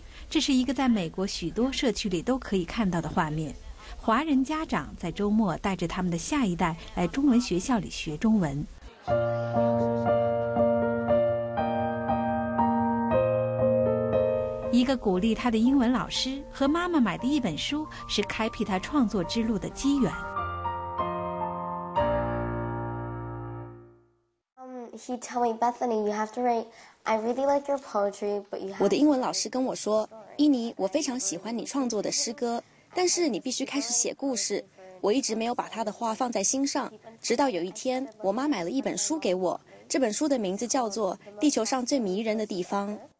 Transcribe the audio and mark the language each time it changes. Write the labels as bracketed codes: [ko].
[zh] 这是一个在美国许多社区里都可以看到的画面，华人家长在周末带着他们的下一代来中文学校里学中文。一个鼓励他的英文老师和妈妈买的一本书是开辟他创作之路的机缘。 [en] He told me, Bethany, you have to write. I really like your poetry, but you. [zh] 我的英文老师跟我说，依妮，我非常喜欢你创作的诗歌，但是你必须开始写故事。我一直没有把他的话放在心上，直到有一天，我妈买了一本书给我。这本书的名字叫做《地球上最迷人的地方》。